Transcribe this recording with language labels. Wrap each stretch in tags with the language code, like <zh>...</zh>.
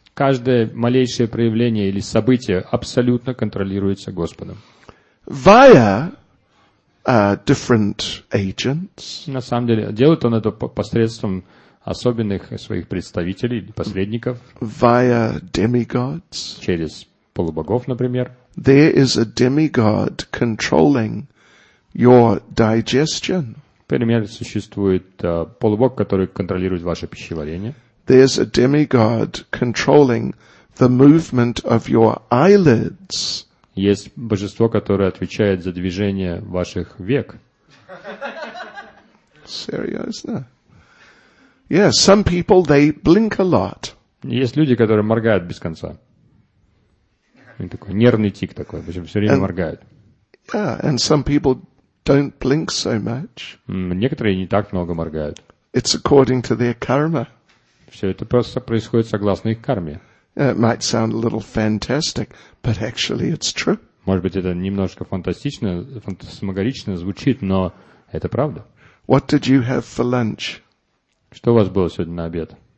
<ru>Каждое малейшее проявление или событие абсолютно контролируется Господом.</ru> <en>via different agents.</en> <ru>На самом деле, делает он это посредством особенных своих представителей, посредников.</ru> <en>Via demigods.</en> <ru>Через полубогов, например.</ru> <en>There is a demigod controlling your digestion.</en> <ru>Например, существует полубог, который контролирует ваше пищеварение.</ru> <en>There's a demigod controlling the movement of your eyelids.</en> <ru>Есть божество, которое отвечает за движение ваших век. Серьезно?</ru> <en>Yeah, some people, they blink a lot.</en> <ru>Есть люди, которые моргают без конца. Такой нервный тик такой, причем все время моргают.</ru> <en>Yeah, and some people don't blink so much.</en> <ru>Некоторые не так много моргают.</ru> <en>It's according to their karma.</en> <ru>Все это просто происходит согласно их карме.</ru> <en>It might sound a little fantastic, but actually it's true.</en> <ru>Может быть, это немножко фантастично, фантасмагорично звучит, но это правда.</ru> <en>What did you have for lunch?</en> <ru>Что у вас было сегодня на обед?</ru>